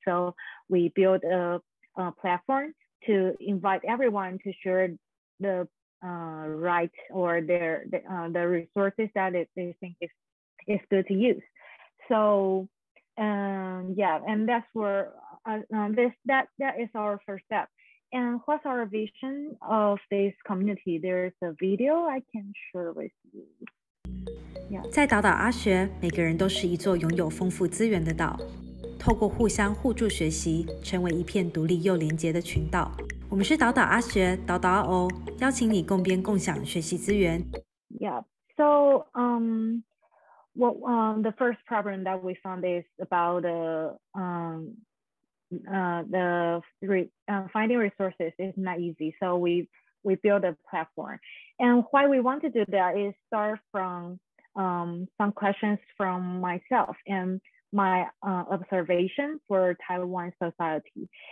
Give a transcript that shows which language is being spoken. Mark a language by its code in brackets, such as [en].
[en] So we build a platform to invite everyone to share the right or their the resources that they think is good to use. So and that's where that is our first step. And what's our vision of this community? There's a video I can share with you. Yeah. [zh] 在岛岛阿学，每个人都是一座拥有丰富资源的岛。透过互相互助学习，成为一片独立又连结的群岛。我们是岛岛阿学，岛岛阿欧，邀请你共编共享学习资源。 [en] Yeah. So, the first problem that we found is about finding resources is not easy. So we build a platform. And why we want to do that is start from some questions from myself and my observation for Taiwan society.